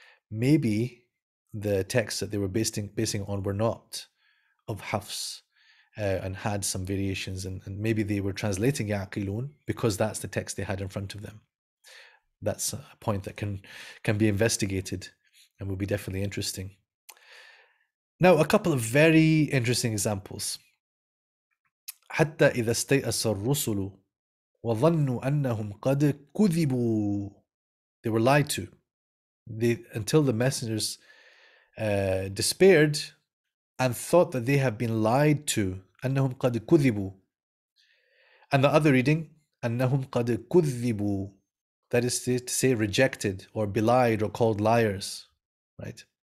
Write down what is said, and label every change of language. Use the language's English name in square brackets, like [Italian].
[English] Maybe the texts that they were basing on were not of Hafs, and had some variations, and maybe they were translating Ya'qilun because that's the text they had in front of them. That's a point that can be investigated and will be definitely interesting. Now, a couple of very interesting examples. [Arabic] حتى إذا استيأس الرسل وظنوا أنهم قد كذبوا. [English] They were lied to. Until the messengers despaired and thought that they have been lied to. [Arabic] أنهم قد كذبوا. [English] And the other reading, [Arabic] أنهم قد كذبوا. [English] That is to say rejected or belied or called liars, right?